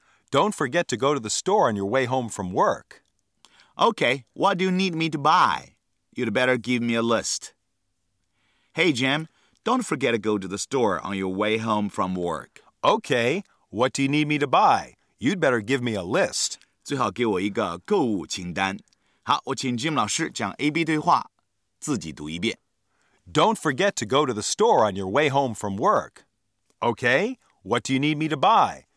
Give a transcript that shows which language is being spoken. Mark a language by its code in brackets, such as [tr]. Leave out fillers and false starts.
[en] Don't forget to go to the store on your way home from work. Okay, what do you need me to buy? You'd better give me a list. Hey, Jim, don't forget to go to the store on your way home from work. Okay, what do you need me to buy? You'd better give me a list. [zh] 最好给我一个购物清单。好，我请 Jim 老师将 AB 对话自己读一遍。 [en] Don't forget to go to the store on your way home from work. Okay, what do you need me to buy?